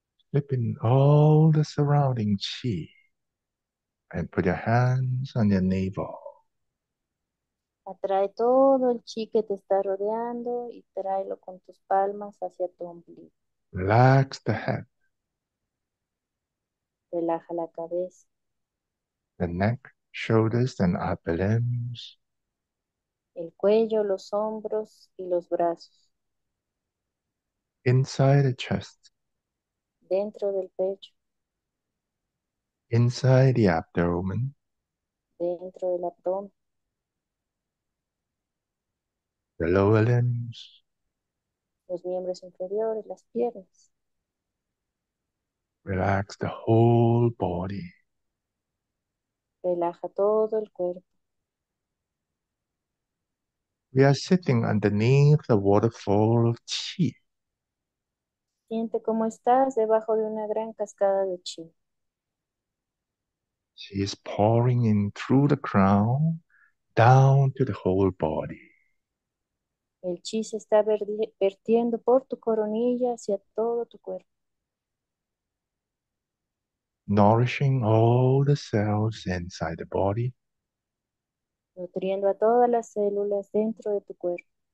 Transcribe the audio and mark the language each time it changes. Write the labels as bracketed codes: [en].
[en] Slipping all the surrounding chi and put your hands on your navel. [es] Atrae todo el chi que te está rodeando y tráelo con tus palmas hacia tu ombligo. [en] Relax the head, [es] Relaja la cabeza. [en] the neck, shoulders, and upper limbs. [es] El cuello, los hombros y los brazos. [en] Inside the chest. [es] Dentro del pecho. [en] Inside the abdomen, [es] Dentro del abdomen. [en] the lower limbs, [es] Los miembros inferiores, las piernas. [en] relax the whole body. [es] Relaja todo el cuerpo. [en] We are sitting underneath the waterfall of chi. [es] Siente cómo estás debajo de una gran cascada de chi. [en] She is pouring in through the crown, down to the whole body. [es] El chi se está vertiendo por tu coronilla hacia todo tu cuerpo. [en] Nourishing all the cells inside the body. [es] Nutriendo a todas las células dentro de tu cuerpo.